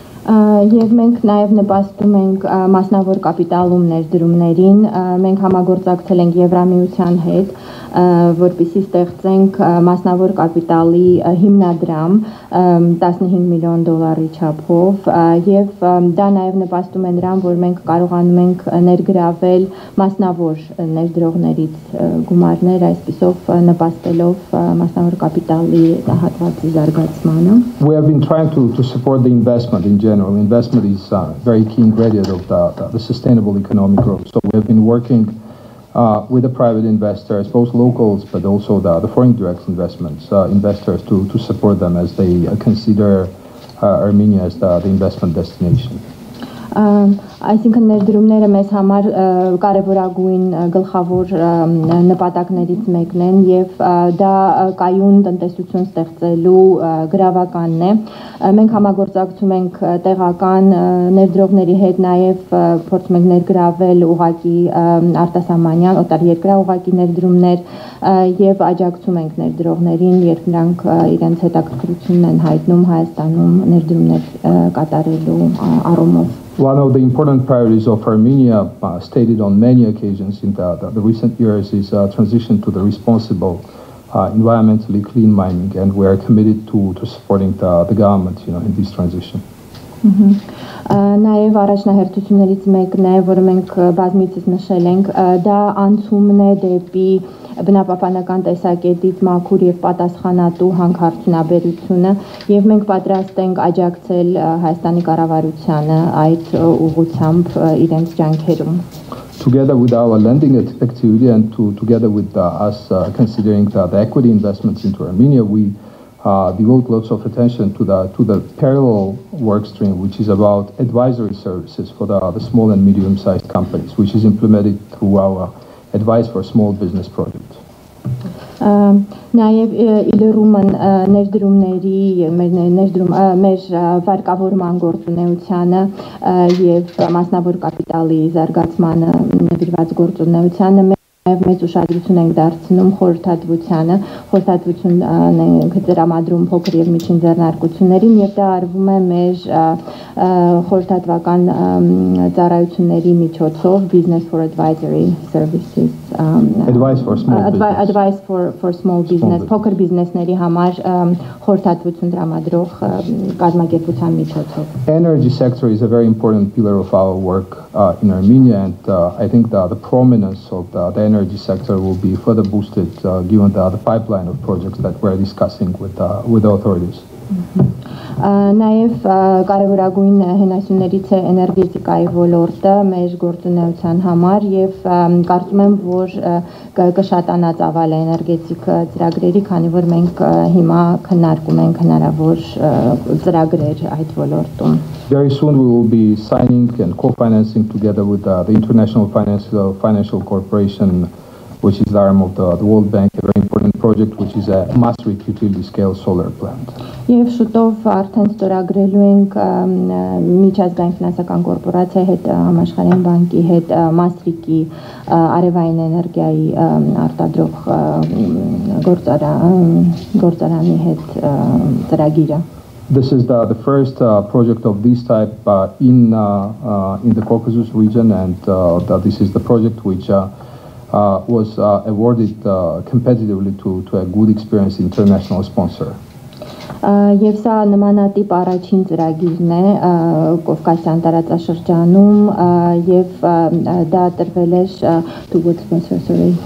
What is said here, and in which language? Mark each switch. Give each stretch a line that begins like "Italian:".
Armenian: Եվ մենք նաև նպաստում ենք մասնավոր կապիտալում ներդրումներին, մենք համագործակցել ենք Եվրամիության հետ, որպեսզի ստեղծենք մասնավոր կապիտալի հիմնադրամ $15 million չափով, եւ դա նաև նպաստում է նրան, որ մենք կարողանում ենք ներգրավել մասնավոր ներդրողներից գումարներ, այս պիսով նպաստելով մասնավոր կապիտալի հատվածի զարգացմանը.
English: We have been trying to support the investment in general. Investment is a very key ingredient of the sustainable economic growth. So we have been working with the private investors, both locals but also the foreign direct investors to support them as they consider Armenia as the investment destination. I think
Armenian: ներդրումները մեզ համար կարևորագույն գլխավոր նպատակներից մեկն են եւ դա կայուն տնտեսություն ստեղծելու գրավականն է։ Մենք համագործակցում ենք տեղական ներդրողների հետ, նաեւ փորձում ենք ներգրավել ուղակի արտասահմանյան օտար երկրա ուղակի ներդրումներ եւ աջակցում ենք ներդրողներին, երբ նրանք իրենց հետաքրքրությունն են հայտնում Հայաստանում ներդրումներ կատարելու առումով։
English: One of the important priorities of Armenia, stated on many occasions in the recent years, is transition to the responsible, environmentally clean mining, and we are committed to supporting the government, you know, in this transition.
Armenian: Նաև առաջնահերթություններից մեկն է, որը մենք բազմիցս նշել ենք, դա անցումն է դեպի բնապահպանական տեսակետից մաքուր եւ պատասխանատու հանքարդյունաբերությունը, եւ մենք պատրաստ ենք աջակցել Հայաստանի կառավարությանը այդ ուղղությամբ իրենց ջանքերում.
English: Together with our lending activity and together with us considering the equity investments into Armenia, we devote lots of attention to the parallel work stream, which is about advisory services for the small and medium-sized companies, which is implemented through our advice for small business projects.
Armenian: Նաև իլերումն ներդրումների մեր վարկավորման գործունեությանը եւ մասնավոր կապիտալի զարգացմանը նվիրված գործունեությանը Եվ մեծ ուշադրություն ենք դարձնում խորհրդատվությանը, խորհրդատվություն ենք դրամադրում փոքր եւ միջին ձեռնարկություններին, եւ դա արվում է մեր խորհրդատվական ծառայությունների միջոցով,
English: business for advisory services, advice for small business,
Armenian: փոքր բիզնեսների համար խորհրդատվություն դրամադրող կազմակերպության միջոցով.
English: Energy sector is a very important pillar of our work in Armenia, and I think the prominence of the energy sector will be further boosted given the pipeline of projects that we're discussing with the authorities.
Armenian: Նաև կարևորագույն հնարություններից է էներգետիկայի ոլորտը մեր գործունեության համար, եւ կարծում եմ, որ կշատանա ծավալը էներգետիկ ծրագրերի, քանի որ մենք հիմա քննարկում ենք հնարավոր ծրագրեր այդ ոլորտում.
English: Very soon we will be signing and co-financing together with the International Financial Corporation, which is the arm of the World Bank, a very important project, which is a massive utility scale solar plant.
Armenian: Եվ շուտով արդեն ստորագրելու ենք միջազգային ֆինանսական կորպորացիայի հետ, համաշխարհային բանկի հետ, Մասրիկի արևային էներգիայի արտադրող գործարանի հետ ծրագիրը.
English: This is the first project of this type in the Caucasus region, and this is the project which was awarded competitively to a good experienced international sponsor.
Armenian: Եվ սա նմանատիպ առաջին ծրագիրն է Կովկասյան տարածաշրջանում, եւ դա տրվել է Tugut sponsor-ի